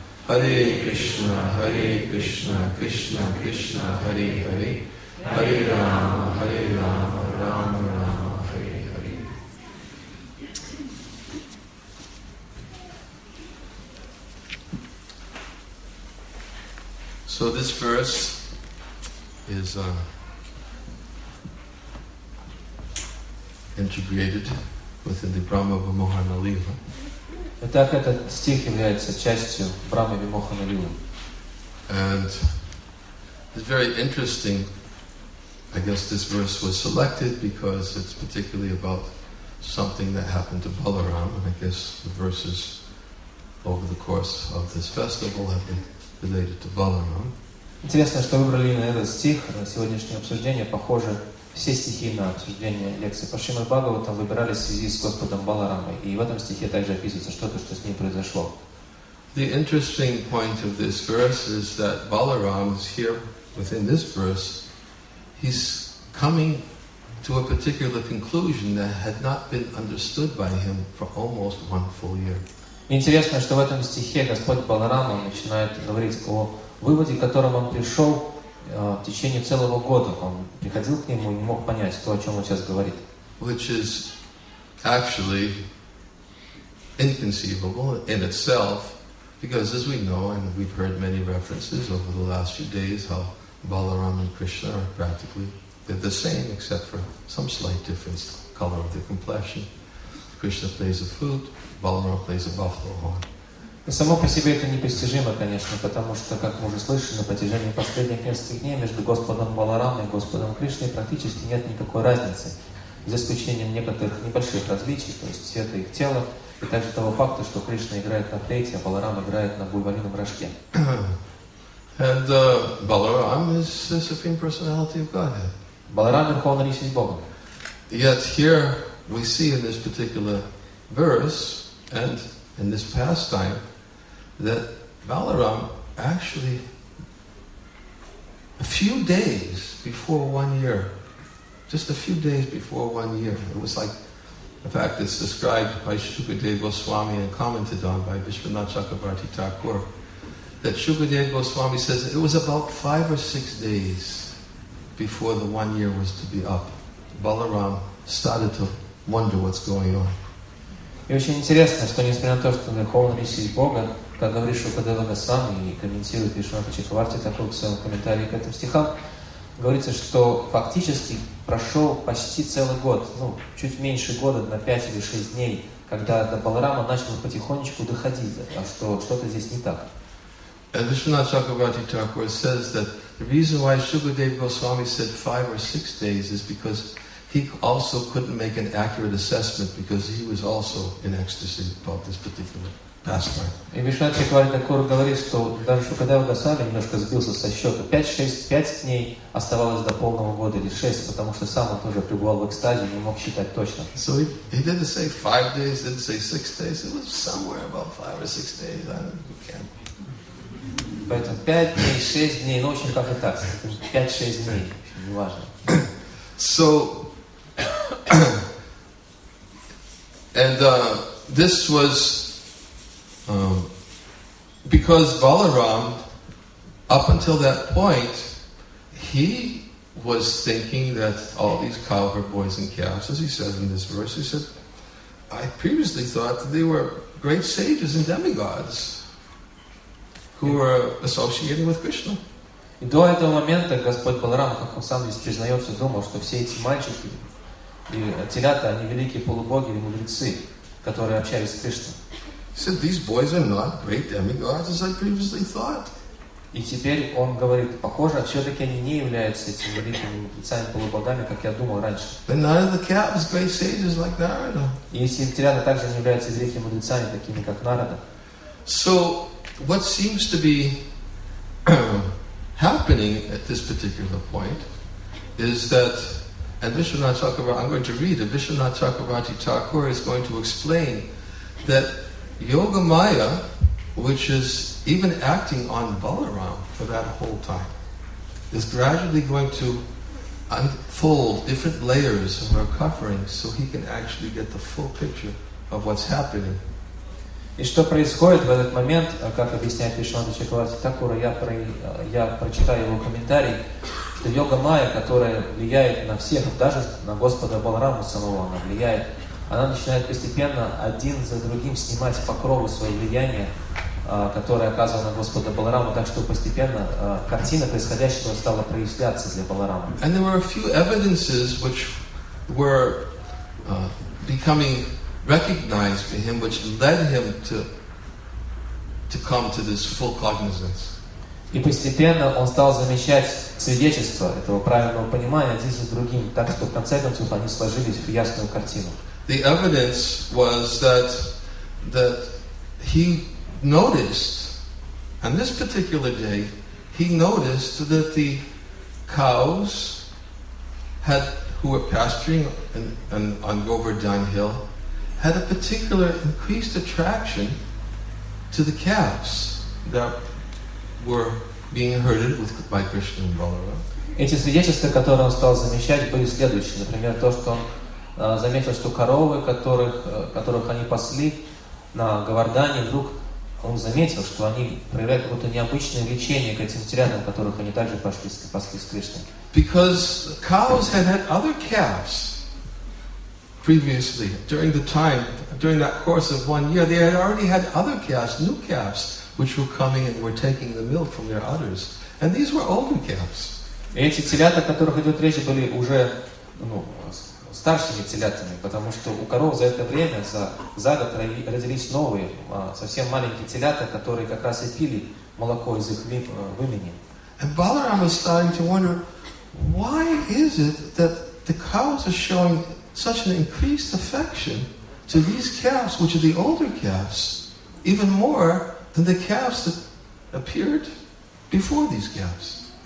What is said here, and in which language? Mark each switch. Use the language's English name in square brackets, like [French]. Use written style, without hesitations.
[English] Hare Krishna Hare Krishna Krishna Krishna Hare Hare Hare Rama Hare Rama Rama So this verse is integrated within the Brahma Vimohana Lila. [Russian] Итак, этот стих является частью Брахмы Вимохана Лилы. [English] And it's very interesting. I guess this verse was selected because it's particularly about something that happened to Balaram. And I guess the verses over the course of this festival have been related to Balaram. [Russian] Интересно, что выбрали именно этот стих на сегодняшнее обсуждение. Похоже, все стихи на обсуждение лекции по Шримад Бхагаватам выбирали в связи с Господом Баларамой. И в этом стихе также описывается что-то, что с ним произошло. [English] The interesting point of this verse is that Balaram is here within this verse. He's coming to a particular conclusion that had not been understood by him for almost one full year. [Russian] Интересно, что в этом стихе Господь Баларама начинает говорить о выводе, к которому он пришел в течение целого года. Он приходил к нему и не мог понять то, о чем он сейчас говорит. [English] Which is actually inconceivable in itself, because as we know, and we've heard many references over the last few days, how Balaram and Krishna are practically the same, except for some slight difference, color of the complexion. Krishna plays a flute, Balaram plays a buffalo horn. [Russian] Само по себе это непостижимо, конечно, потому что, как мы уже слышали, на протяжении последних нескольких дней между Господом Баларамой и Господом Кришной практически нет никакой разницы, за исключением некоторых небольших различий, то есть цвета их тела, и также того факта, что Кришна играет на флейте, а Баларам играет на буйволином рожке. [English] And Balaram is the Supreme Personality of Godhead. [Russian] Баларам — Верховная Личность Бога. [English] Yet here we see in this particular verse and in this pastime that Balaram actually a few days before one year, it was like, in fact, it's described by Shukadeva Goswami and commented on by Vishwanath Chakravarti Thakur, that Shukadeva Goswami says it was about 5 or 6 days before the 1 year was to be up. Balaram started to wonder what's going on. [Russian] И очень интересно, что несмотря на то, что Верховная Личность Бога, как говорит Шукадева Госвами и комментирует Вишванатха Чакраварти такой в своем комментарии к этим стихам, говорится, что фактически прошел почти целый год, ну, чуть меньше года, на 5 или 6 дней, когда до Баларама начало потихонечку доходить, а что что-то здесь не так. [English] And Vishwanatha Chakravarti Thakur says that the reason why Shukadeva Goswami said 5 or 6 days is because he also couldn't make an accurate assessment because he was also in ecstasy about this particular pastime. [Russian] И Вишванатха Чакраварти Такур говорит, что даже Шукадева Госвами немножко сбился со счета. 5 дней оставалось до полного года, или 6, потому что сам он тоже пребывал в экстазе, не мог считать точно. [English] So he didn't say 5 days, didn't say 6 days. It was somewhere about 5 or 6 days. [Russian] Поэтому 5 дней, 6 дней, ну, в общем, как и так. 5-6 дней, неважно. [English] So, and this was because Balaram, up until that point, he was thinking that all these cowherd boys and calves, as he says in this verse, he said, I previously thought that they were great sages and demigods who were associating with Krishna. [Russian] И до этого момента Господь Баларам, как он сам здесь признается, думал, что все эти мальчики и телята, они великие полубоги и мудрецы, которые общались с Кришной. [English] Said, these boys are not great demigods, as I previously thought. [Russian] И теперь он говорит, похоже, все-таки они не являются этими великими мудрецами полубогами, как я думал раньше. [English] But none of the calves great sages like Narada. [Russian] И эти телята также не являются великими мудрецами, такими как Нарада. [English] So, what seems to be happening at this particular point is that, and Vishwanatha Chakravarti, I'm going to read, and Vishwanatha Chakravarti Thakur is going to explain that Yoga Maya, which is even acting on Balaram for that whole time, is gradually going to unfold different layers of her covering so he can actually get the full picture of what's happening. [Russian] И что происходит в этот момент, как объясняет Вишванатха Чакраварти Такура, я прочитаю его комментарий, что йога майя, которая влияет на всех, даже на Господа Баларама самого, она влияет, она начинает постепенно один за другим снимать покровы свои влияния, которые оказывают на Господа Баларама, так что постепенно картина происходящего стала проясняться для Баларама. [English] And there were a few evidences which were becoming recognized for him, which led him to come to this full cognizance. [Russian] И постепенно он стал замечать свидетельства этого правильного понимания один за другим, так что в конце концов они сложились в ясную картину. [English] The evidence was that he noticed, on this particular day, he noticed that the cows who were pasturing on Govardhan Hill had a particular increased attraction to the calves that were being herded with by Krishna and Balaram. [Russian] Эти свидетельства, которые он стал замечать, были следующие. Например, то, что он заметил, что коровы, которых они пасли на Говардане, вдруг он заметил, что они проявляют какое-то необычное влечение к этим телятам, которых они также пасли с Кришной. [English] Because cows had other calves. Previously, during that course of 1 year, they had already had other calves, new calves, which were coming and were taking the milk from their udders. And these were older calves. [Russian] Эти телята, о которых идет речь, были уже старшими телятами, потому что у коров за это время, за год родились новые, совсем маленькие телята, которые как раз и пили молоко из их вымени. [English] And Balaram was starting to wonder, why is it that the cows are showing such an increased affection to these calves, which are the older calves, even more than the calves that appeared before these calves.